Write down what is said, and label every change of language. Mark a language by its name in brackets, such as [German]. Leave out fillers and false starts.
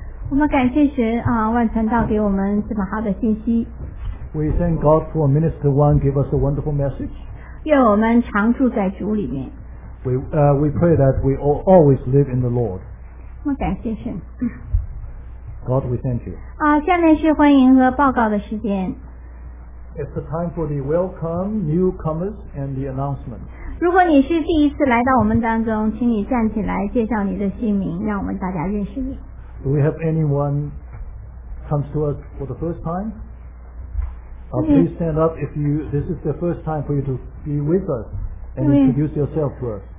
[Chinese] 我们感谢神啊，万传道给我们这么好的信息。 [English] We thank God for Minister Wang give us a wonderful message. [Chinese] 愿我们常住在主里面。 [English] We pray that we always live in the Lord. [Chinese] 我们感谢神。 [English] God, we thank you. [Chinese] 下面是欢迎和报告的时间。 [English] It's the time for the welcome, newcomers, and the announcement. [Chinese] 如果你是第一次来到我们当中，请你站起来介绍你的姓名，让我们大家认识你。 [English] Do we have anyone comes to us for the first time? Please stand up if you, this is the first time for you to be with us and introduce yourself to us.